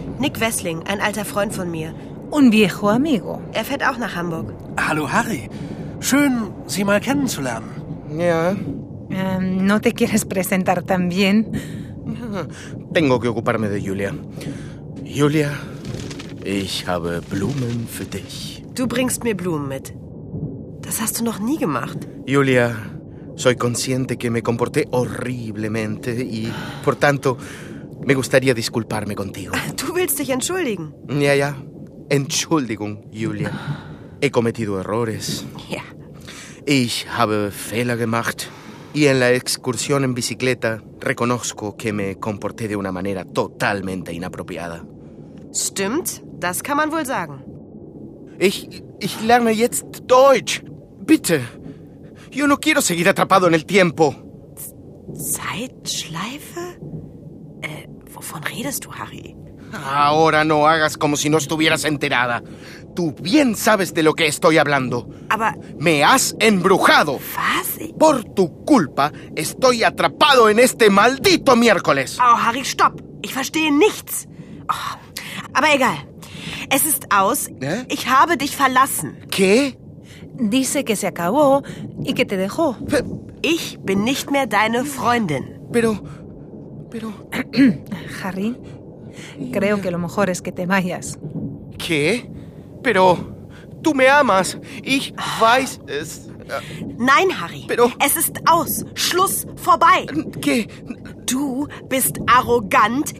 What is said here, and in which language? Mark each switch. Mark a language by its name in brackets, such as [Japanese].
[German] Nick Wessling, ein alter Freund von mir. [Spanish] Un viejo amigo. [German] Er fährt auch nach Hamburg. Hallo, Harry. Schön, Sie mal kennenzulernen. Ja. [Spanish] ¿No te quieres presentar también? Tengo que ocuparme de Julia. [German] Julia, ich habe Blumen für dich. Du bringst mir Blumen mit. Das hast du noch nie gemacht. [Spanish] Julia, soy consciente que me comporté horriblemente y, por tanto, me gustaría disculparme contigo. [German] Du willst dich entschuldigen. Ja, ja. Entschuldigung, Julia. [Spanish] He cometido errores. [German] Ja. Ich habe Fehler gemacht. [Spanish] Y en la excursión en bicicleta, reconozco que me comporté de una manera totalmente inapropiada. [German] Stimmt, das kann man wohl sagen. Ich lerne jetzt Deutsch. Bitte. [Spanish] Yo no quiero seguir atrapado en el tiempo. [German] Zeitschleife? ¿Wovon redest du, Harry? [Spanish] Ahora no hagas como si no estuvieras enterada. Tú bien sabes de lo que estoy hablando. [German] Aber... [Spanish] ¡Me has embrujado! ¿Qué? Por tu culpa, estoy atrapado en este maldito miércoles. [German] Oh, Harry, stopp. Ich verstehe nichts. Oh. Aber egal. Es ist aus. ¿Eh? Ich habe dich verlassen. [Spanish] ¿Qué? Dice que se acabó y que te dejó. [German] Ich bin nicht mehr deine Freundin. [Spanish] Pero... Harry, creo que lo mejor es que te vayas. ¿Qué? Pero tú me amas. [German] Ich weiß es. Nein, Harry. [Spanish] Pero... [German] Es ist aus. Schluss. Vorbei. [Spanish] ¿Qué? [German] Du bist arrogant.